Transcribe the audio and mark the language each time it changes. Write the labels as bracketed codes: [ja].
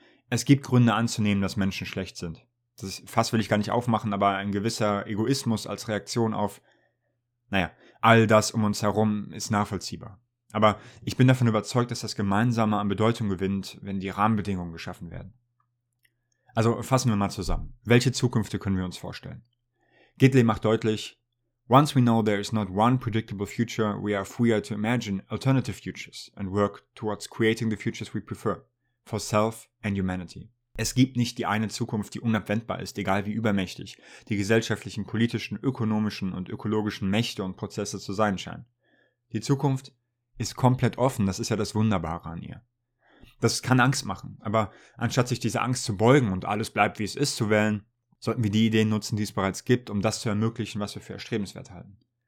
[de] Es gibt Gründe anzunehmen, dass Menschen schlecht sind. Das Fass will ich gar nicht aufmachen, aber ein gewisser Egoismus als Reaktion auf, all das um uns herum ist nachvollziehbar. Aber ich bin davon überzeugt, dass das Gemeinsame an Bedeutung gewinnt, wenn die Rahmenbedingungen geschaffen werden. Also fassen wir mal zusammen. Welche Zukünfte können wir uns vorstellen? Gidley macht deutlich, [en] Once we know there is not one predictable future, we are freer to imagine alternative futures and work towards creating the futures we prefer, for self and humanity. [de] Es gibt nicht die eine Zukunft, die unabwendbar ist, egal wie übermächtig die gesellschaftlichen, politischen, ökonomischen und ökologischen Mächte und Prozesse zu sein scheinen. Die Zukunft ist komplett offen, das ist ja das Wunderbare an ihr. Das kann Angst machen, aber anstatt sich dieser Angst zu beugen und alles bleibt, wie es ist, zu wählen, sollten wir die Ideen nutzen, die es bereits gibt, um das zu ermöglichen, was wir für erstrebenswert halten.